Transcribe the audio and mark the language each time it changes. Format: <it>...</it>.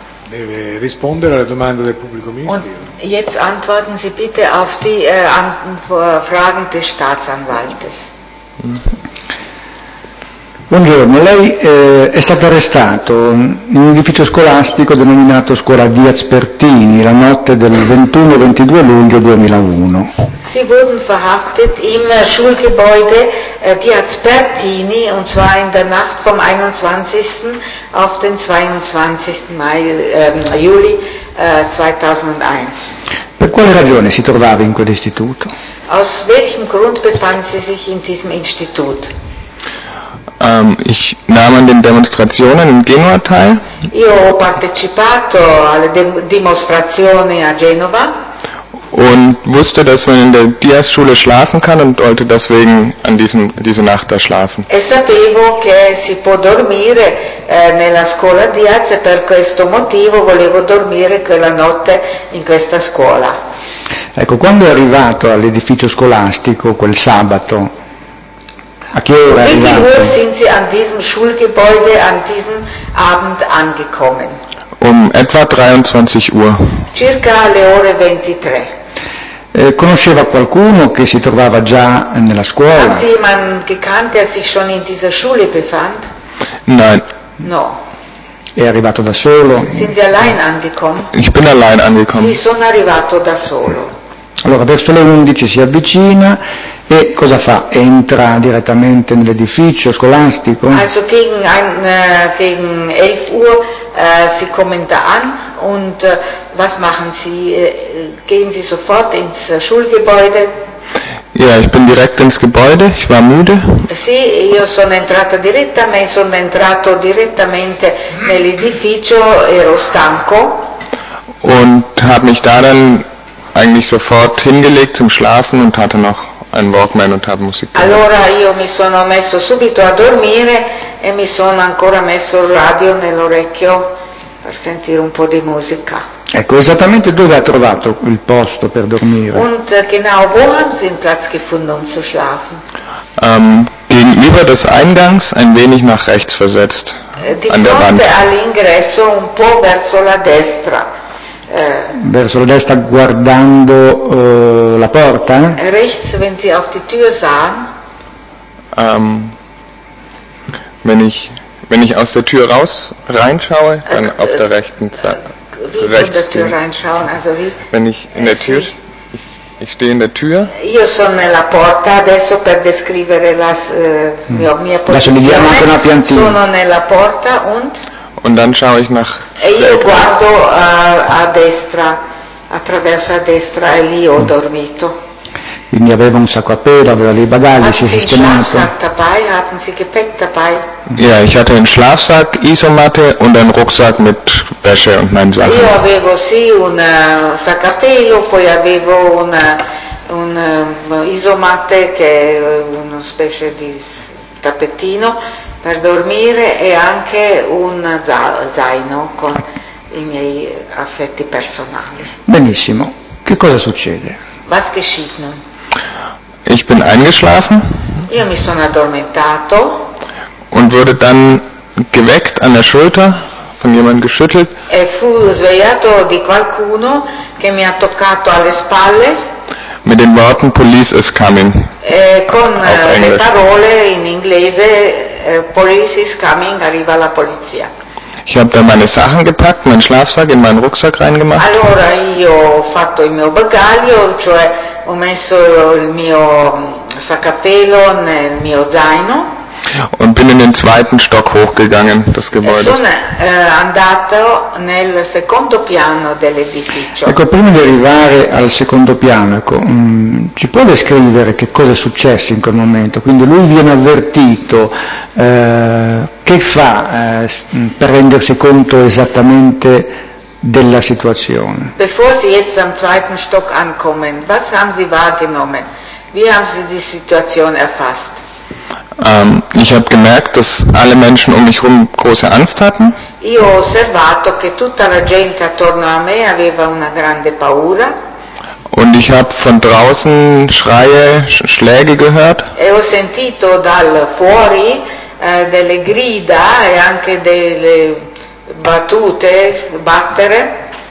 <it>Deve rispondere alle domande del pubblico ministero.</it> <de>Und jetzt antworten Sie bitte auf die Fragen des Staatsanwaltes.</de> <it>Buongiorno, lei è stato arrestato in un edificio scolastico denominato Scuola Diaz Pertini la notte del 21-22 luglio 2001.</it> <de>Sie wurden verhaftet im Schulgebäude Diaz Pertini und zwar in der Nacht vom 21. auf den 22. Mai, Juli 2001.</de> <it>Per quale ragione si trovava in quell'istituto?</it> <de>Aus welchem Grund befand sie sich in diesem Institut? Ich nahm an den Demonstrationen in Genua teil.</de> <it>Io ho partecipato alle dimostrazioni a Genova.</it> <de>Und wusste, dass man in der Diaz-Schule schlafen kann und wollte deswegen an diese Nacht da schlafen.</de> <it>E sapevo che si può dormire nella scuola Diaz e per questo motivo volevo dormire quella notte in questa scuola. Ecco, quando è arrivato all'edificio scolastico quel sabato, a che ora è arrivato?</it> <de>Wie viel Uhr sind Sie an diesem Schulgebäude an diesem Abend angekommen? Etwa 23 Uhr.</de> <it>Circa alle ore 23. Conosceva qualcuno che si trovava già nella scuola?</it> <de>Haben Sie jemanden gekannt, der sich schon in dieser Schule befand? Nein.</de> <it>No. È arrivato da solo?</it> <de>Sind Sie allein angekommen? Ich bin allein angekommen.</de> <it>Sie sono arrivato da solo. Allora, verso le 11 si avvicina. E cosa fa? Entra direttamente nell'edificio scolastico?</it> <de>Also gegen 11 Uhr Sie kommen da an und was machen Sie? Gehen Sie sofort ins Schulgebäude? Ja, ich bin direkt ins Gebäude, ich war müde.</de> <it>Sì, io sono entrato direttamente nell'edificio, ero stanco.</it> <de>Und habe mich da dann eigentlich sofort hingelegt zum Schlafen und hatte noch ein Walkman und habe Musik gehört.</de> <it>Allora io mi sono messo subito a dormire e mi sono ancora messo il radio nell'orecchio per sentire un po' di musica. Ecco, esattamente dove ha trovato il posto per dormire?</it> <de>Und genau wo haben Sie den Platz gefunden um zu schlafen? Gegenüber des Eingangs ein wenig nach rechts versetzt.</de> <it>Di fronte all'ingresso un po' verso la destra. Verso la destra guardando la porta?</it> <de>Rechts, wenn Sie auf die Tür sahen. Wenn ich aus der Tür raus reinschaue, dann auf der rechten Seite. Wie von der Tür reinschauen? Also wie? Wenn ich in der Tür, ich stehe in der Tür.</de> <it>Io sono nella porta adesso per descrivere la mia posizione. Sono nella porta und?</it> <de>Und dann schaue ich nach.</de> <it>E io guardo a destra, attraverso a destra e lì ho dormito. Quindi aveva un sacco a pelo, aveva dei bagagli, si è sistemato.</it> <de>Dabei, hatten Sie Gepäck dabei? Ja, ich hatte einen Schlafsack, Isomatte und einen Rucksack mit Wäsche und meinen Sachen.</de> <it>Io avevo sì un sacco a pelo, poi avevo un isomatte che è una specie di tappetino per dormire e anche un zaino con i miei affetti personali. Benissimo. Che cosa succede?</it> <de>Was geschieht nun? Ich bin eingeschlafen.</de> <it>Io mi sono addormentato.</it> <de>Und wurde dann geweckt an der Schulter von jemandem geschüttelt.</de> <it>E fu svegliato di qualcuno che mi ha toccato alle spalle.</it> <de>Mit den Worten</de> <en>"Police is coming".</en> <it>E con le parole in inglese</it> <en>"Police is coming",</en> <it>arriva la polizia.</it> <de>Ich habe dann meine Sachen gepackt, meinen Schlafsack in meinen Rucksack reingemacht.</de> <it>Allora io ho fatto il mio bagaglio, cioè ho messo il mio sacapelo nel mio zaino.</it> <de>Und bin in den zweiten Stock hochgegangen, das Gebäude.</de> <it>Sono andato nel secondo piano dell'edificio. Ecco, prima di arrivare al secondo piano, ecco, ci può descrivere che cosa è successo in quel momento? Quindi lui viene avvertito, che fa per rendersi conto esattamente della situazione?</it> <de>Bevor Sie jetzt am zweiten Stock ankommen, was haben Sie wahrgenommen? Wie haben Sie die Situation erfasst? Ich habe gemerkt, dass alle Menschen um mich herum große Angst hatten.</de> <it>Io ho osservato che tutta la gente attorno a me aveva una grande paura.</it> <de>Und ich habe von draußen Schreie, Schläge gehört.</de> <it>E ho sentito dal fuori delle grida e anche delle battute, battere.</it>